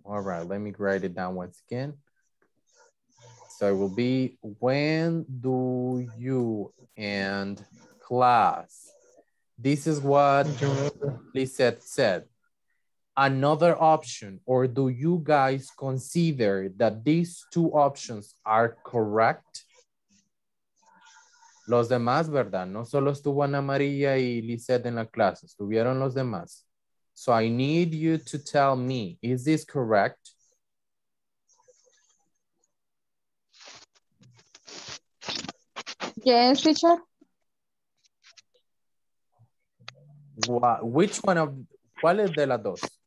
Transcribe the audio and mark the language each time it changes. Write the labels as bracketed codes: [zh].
[en] All right, let me write it down once again. So it will be, when do you end class? This is what Lisette said. Another option, or do you guys consider that these 2 options are correct? [es] Los demás, ¿verdad? No solo estuvo Ana María y Lisette en la clase, estuvieron los demás. [en] So I need you to tell me, is this correct? Yes, teacher. Which one of, [es] ¿cuál es de las dos?